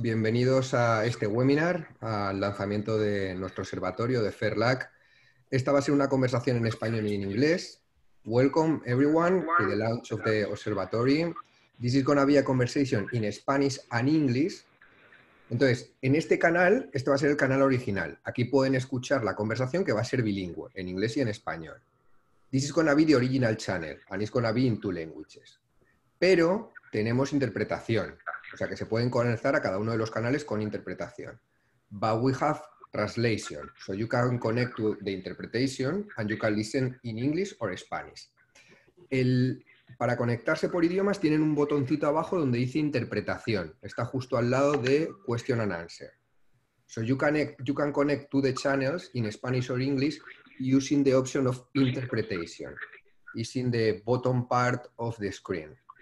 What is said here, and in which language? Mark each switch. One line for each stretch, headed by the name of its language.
Spanish: Bienvenidos a este webinar, al lanzamiento de nuestro observatorio de FairLAC. Esta va a ser una conversación en español y en inglés.
English: Welcome everyone to the launch of the observatory. This is going to be a conversation in Spanish and English.
Spanish: Entonces, en este canal, este va a ser el canal original. Aquí pueden escuchar la conversación que va a ser bilingüe, en inglés y en español.
English: This is going to be the original channel and it's going to be in two languages.
Spanish: Pero tenemos interpretación, o sea que se pueden conectar a cada uno de los canales con interpretación.
English: But we have translation, so you can connect to the interpretation and you can listen in English or Spanish.
Spanish: Para conectarse por idiomas tienen un botoncito abajo donde dice interpretación, está justo al lado de
English: question and answer. So you can connect to the channels in Spanish or English using the option of interpretation, using the bottom part of the screen.